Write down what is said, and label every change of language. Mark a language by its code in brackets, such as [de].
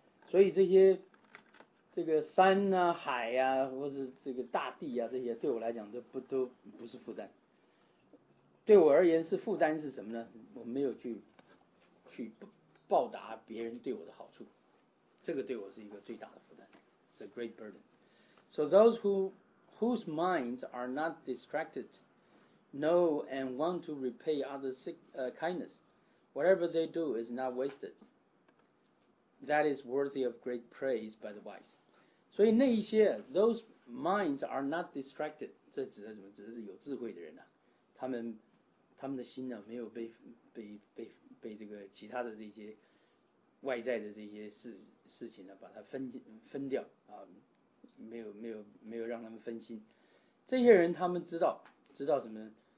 [zh] 所以这个山啊、海啊，或者这个大地啊，这些对我来讲都不是负担。对我而言是负担是什么呢？我没有去报答别人对我的好处，这个对我是一个最大的负担。 [en] It's a great burden. So those whose minds are not distracted know and want to repay others' kindness. Whatever they do is not wasted. That is worthy of great praise by the wise. [zh] 所以那一些 [en] those minds are not distracted. [zh] 这指的什么？指的是有智慧的人啊，他们的心呢、啊、没有被这个其他的这些外在的这些事情呢、啊、把它分掉啊。没有让他们分心，这些人他们知道什么呢？